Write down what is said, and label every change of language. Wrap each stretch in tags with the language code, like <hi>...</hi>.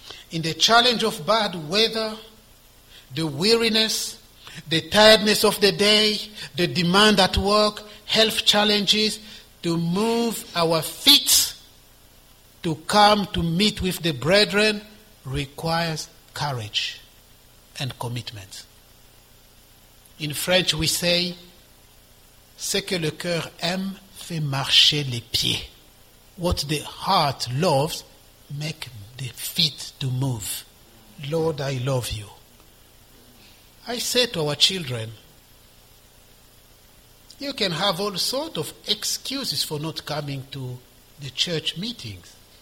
<en>In the challenge of bad weather, the weariness, the tiredness of the day, the demand at work, health challenges, to move our feet to come to meet with the brethren requires courage and commitment. In French, we say,</en> <fr>ce que le cœur aime fait marcher les pieds.</fr> <en>What the heart loves makes the feet to move. Lord, I love you. I say to our children, you can have all sorts of excuses for not coming to the church meetings.</en>